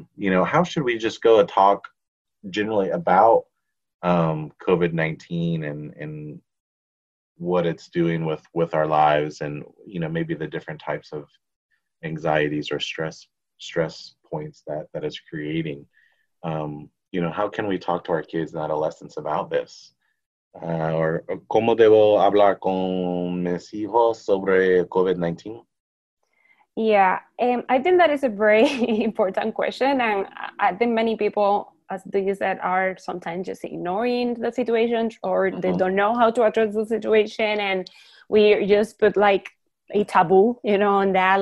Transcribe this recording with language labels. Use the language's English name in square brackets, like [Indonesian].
[English] You know, how should we just go and talk generally about COVID-19 and what it's doing with our lives, and, you know, maybe the different types of anxieties or stress points that it's creating. You know, how can we talk to our kids and adolescents about this? [Spanish] Or ¿cómo debo hablar con mis hijos sobre COVID-19? [English] Yeah, I think that is a very important question. And I think many people, as you said, are sometimes just ignoring the situation, or mm-hmm. they don't know how to address the situation. And we just put like a taboo, you know, on that.